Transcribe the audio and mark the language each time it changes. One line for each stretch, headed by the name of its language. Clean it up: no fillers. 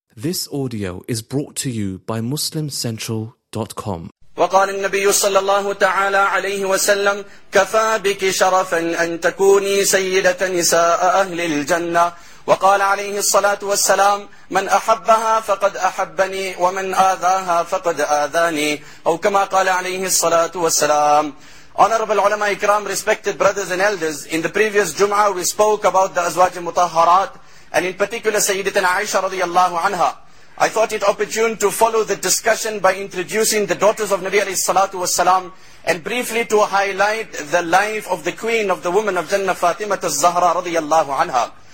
English: This audio is brought to you by MuslimCentral.com.
Arabic: وقال النبي صلى الله تعالى عليه وسلم كفى بك شرفا أن تكوني سيدة نساء أهل الجنة. وقال عليه الصلاة والسلام من أحبها فقد أحبني ومن آذاها فقد آذاني. أو كما قال عليه الصلاة والسلام.
English: Honorable ulama ikram, respected brothers and elders, in the previous Jum'ah we spoke about the Azwaj al-Mutahharat, and in particular Sayyidatina Aisha radiallahu anha. I thought it opportune to follow the discussion by introducing the daughters of Nabi alayhi salatu wasalam and briefly to highlight the life of the queen of the woman of Jannah, Fatima al-Zahra radiallahu anha.